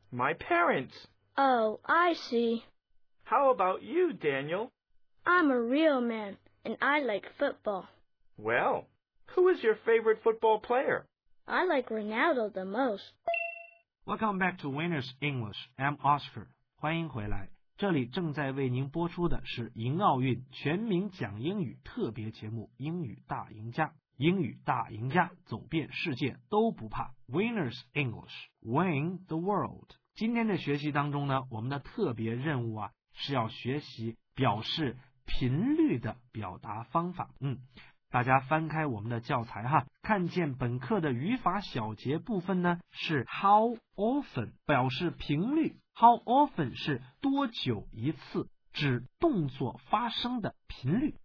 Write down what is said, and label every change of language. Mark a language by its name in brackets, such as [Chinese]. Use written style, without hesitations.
[English] My parents. Oh, I see. How about you, Daniel? I'm a real man, and I like football. Well, who is your favorite football player? I like Ronaldo the most. Welcome back to Winners English. I'm Oscar. [Chinese] 欢迎回来，这里正在为您播出的是迎奥运全民讲英语特别节目《英语大赢家》。英语大赢家，走遍世界都不怕。 [English] Winners English, win the world. [Chinese] 今天的学习当中呢，我们的特别任务啊，是要学习表示频率的表达方法。大家翻开我们的教材哈，看见本课的语法小节部分呢，是 how often 表示频率， how often 是多久一次，指动作发生的频率。